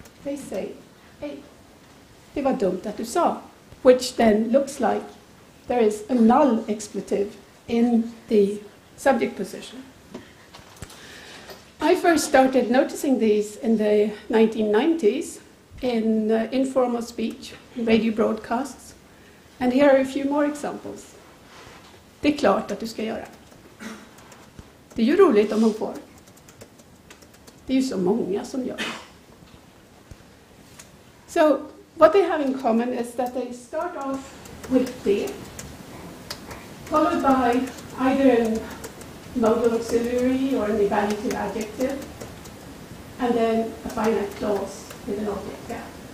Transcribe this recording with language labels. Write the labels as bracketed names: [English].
[English] They say, hey, [Swedish] det var dumt att du sa, [English] which then looks like there is a null expletive in the subject position. I first started noticing these in the 1990s in informal speech, radio broadcasts, and here are a few more examples. [Swedish] Det är klart att du ska göra. Det är ju roligt om hon får. Det är ju så många som gör. [English] So, what they have in common is that they start off with det, followed by either a modal auxiliary or an evaluative adjective, and then a finite clause with an object gap.